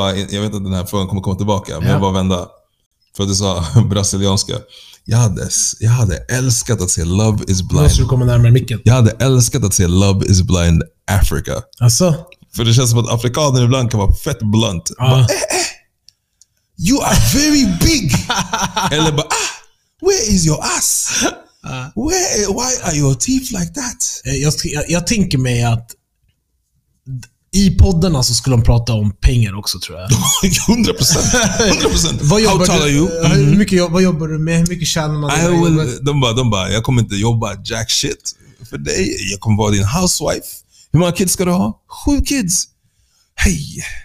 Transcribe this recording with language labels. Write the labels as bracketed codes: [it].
[sv] Jag vet att den här frågan kommer komma tillbaka, men jag bara vända. För att du sa brasilianska. Jag hade älskat att se Love is Blind. Måste du komma närmare micken? Jag hade älskat att se Love is Blind Africa. Asså? För det känns som att afrikaner ibland kan vara fett blunt. [en] You are very big. [sv] Eller bara, [en] where is your ass? Why are your teeth like that? [sv] Jag tänker mig att i poddarna så skulle de prata om pengar också, tror jag. 100%. Vad jobbar du? Vad jobbar du med? Hur mycket tjänar man? De bara, jag kommer inte jobba [en] jack shit [sv] för dig. Jag kommer vara din housewife. Hur många kids ska du ha? 7 kids. Hej.